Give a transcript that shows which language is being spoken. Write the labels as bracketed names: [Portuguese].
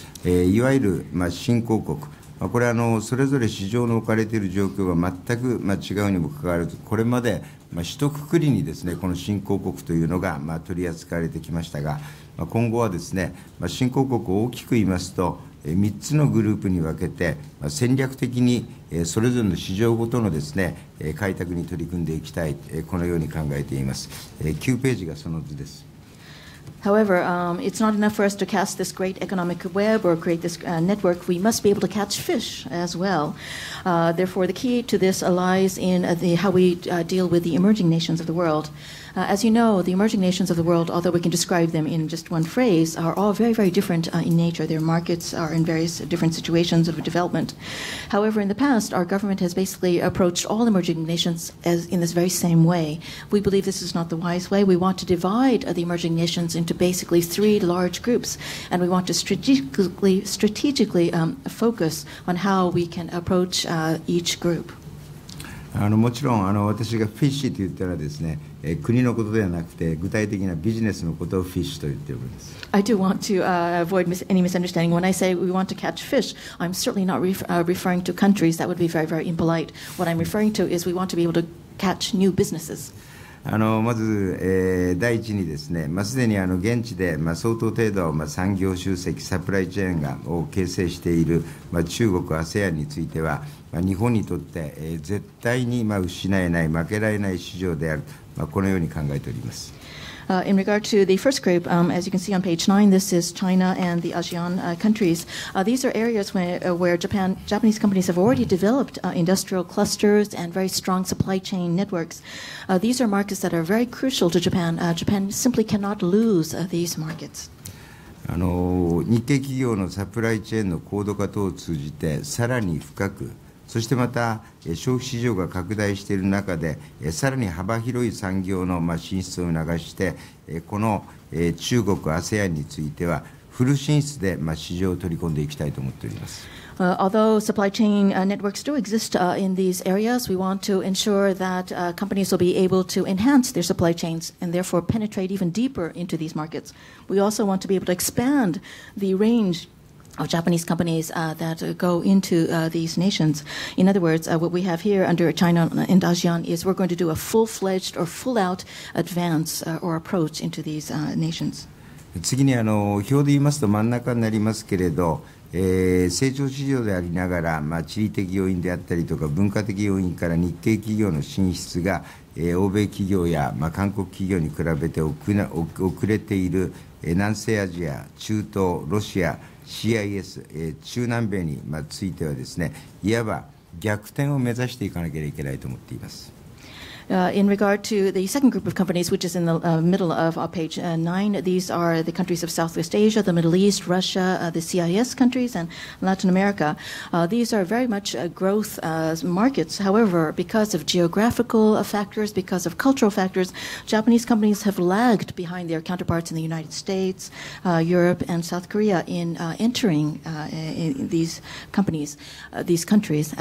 [Japanese] いわゆる、新興国、これはそれぞれ市場の置かれている状況が全く、違うにもかかわらず、これまで、一括りにですね、この新興国というのが、取り扱われてきましたが、今後はですね、新興国を大きく言いますと、3つのグループに分けて、戦略的に、それぞれの市場ごとのですね、開拓に取り組んでいきたい、このように考えています。 9ページがその図です。 [English] However, it's not enough for us to cast this great economic web or create this network. We must be able to catch fish as well. Therefore, the key to this lies in how we deal with the emerging nations of the world. As you know, the emerging nations of the world, although we can describe them in just one phrase, are all very, very different in nature. Their markets are in various different situations of development. However, in the past, our government has basically approached all emerging nations as in this very same way. We believe this is not the wise way. We want to divide the emerging nations into basically three large groups, and we want to strategically focus on how we can approach each group. [Japanese] もちろん私がフィッシュと言ったらですね、国のことではなくて具体的なビジネスのことをフィッシュと言っております。 [English] I do want to avoid any misunderstanding. When I say we want to catch fish, I'm certainly not referring to countries. That would be very, very impolite. What I'm referring to is we want to be able to catch new businesses. [Japanese] まず、第一にですね、すでに現地で、相当程度、産業集積サプライチェーンを形成している、中国 ASEAN については日本にとって、絶対に、失えない負けられない市場である、このように考えております。 [English] In regard to the first group, as you can see on page 9, this is China and the ASEAN countries. These are areas where Japanese companies have already developed industrial clusters and very strong supply chain networks. These are markets that are very crucial to Japan. Japan simply cannot lose these markets. [Japanese] 日系企業のサプライチェーンの高度化等を通じてさらに深く、そしてまた消費市場が拡大している中で、さらに幅広い産業の進出を促して、この中国 ASEAN についてはフル進出で市場を取り込んでいきたいと思っております。 [English] Although supply chain networks do exist in these areas, we want to ensure that companies will be able to enhance their supply chains and therefore penetrate even deeper into these markets. We also want to be able to expand the rangeof Japanese companies that go into these nations. In other words, what we have here under China and ASEAN is we're going to do a full-fledged or full-out advance or approach into these nations. [Japanese] 次に表で言いますと真ん中になりますけれど、成長市場でありながら、地理的要因であったりとか文化的要因から日系企業の進出が、欧米企業や、韓国企業に比べて遅れている、南西アジア、中東、ロシア、CIS、中南米に、ついてはですね、いわば逆転を目指していかなければいけないと思っています。 [English] In regard to the second group of companies, which is in the middle of page 9, these are the countries of Southwest Asia, the Middle East, Russia, the CIS countries, and Latin America. These are very much growth markets. However, because of geographical factors, because of cultural factors, Japanese companies have lagged behind their counterparts in the United States, Europe, and South Korea in entering in these companies, these countries.